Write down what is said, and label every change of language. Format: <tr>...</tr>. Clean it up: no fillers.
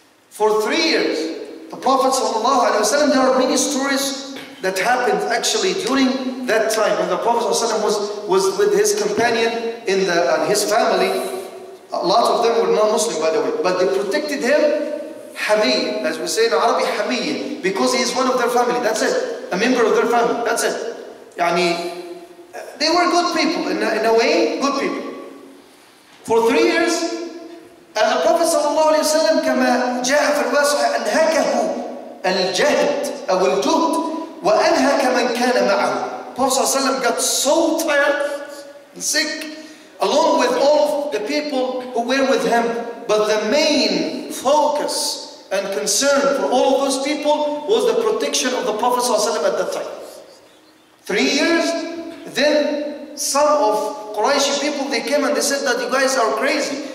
<en>For 3 years, the Prophet sallallahu alaihi wasallam, there are many stories that happened actually during that time when the Prophet sallallahu alaihi wasallam was with his companion in the and his family. A lot of them were non-Muslim, by the way, but they protected him, Hamiyya, as we say in Arabic, Hamiyya, because he is one of their family. That's it, a member of their family. That's it. Yani, they were good people in a way, good people. For 3 years, and the Prophet sallallahu alaihi wasallam,</en> <ar>كما جاء في الواسح أنهكه الجهد أو الجهد وأنهك من كان معه.</ar> <en>Prophet sallallahu alaihi wasallam got so tired and sick, along with all of the people who were with him, but the main focus and concern for all of those people was the protection of the Prophet sallallahu alaihi wasallam at that time. 3 years, then some of Quraysh people, they came and they said that you guys are crazy.</en>